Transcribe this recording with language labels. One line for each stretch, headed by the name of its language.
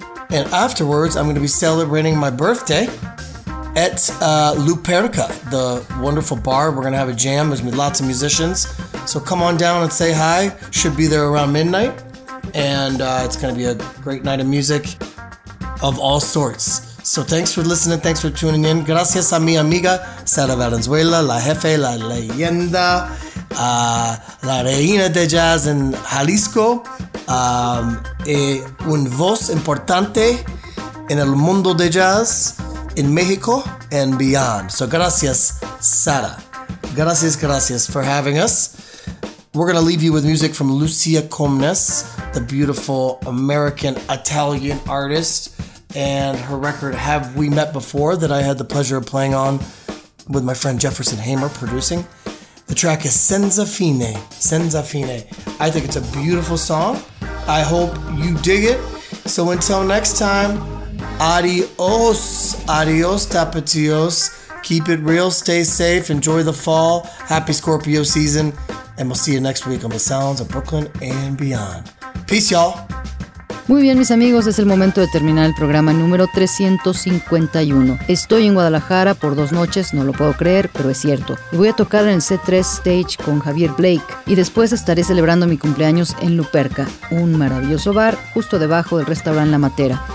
English: And afterwards, I'm going to be celebrating my birthday at Luperca, the wonderful bar. We're going to have a jam. There's going to be lots of musicians. So come on down and say hi. Should be there around midnight. And it's going to be a great night of music of all sorts. So thanks for listening. Thanks for tuning in.
Spanish: Gracias a mi amiga, Sara Valenzuela, la jefe, la leyenda, la reina de jazz en Jalisco. Un voz importante en el mundo de jazz en México
English: and beyond. So
Spanish: gracias, Sara. Gracias, gracias
English: for having us. We're going to leave you with music from Lucia Comnes, the beautiful American-Italian artist, and her record, Have We Met Before, that I had the pleasure of playing on with my friend Jefferson Hamer producing. The track is Senza Fine, Senza Fine. I think it's a beautiful song. I hope you dig it. So until next time,
Spanish: adios, adios, tapatios.
English: Keep it real, stay safe, enjoy the fall. Happy Scorpio season. And we'll see you next week on The Sounds of Brooklyn and Beyond. Peace, y'all.
Spanish: Muy bien, mis amigos, es el momento de terminar el programa número 351. Estoy en Guadalajara por dos noches, no lo puedo creer, pero es cierto. Y voy a tocar en el C3 Stage con Javier Blake. Y después estaré celebrando mi cumpleaños en Luperca, un maravilloso bar justo debajo del restaurante La Matera.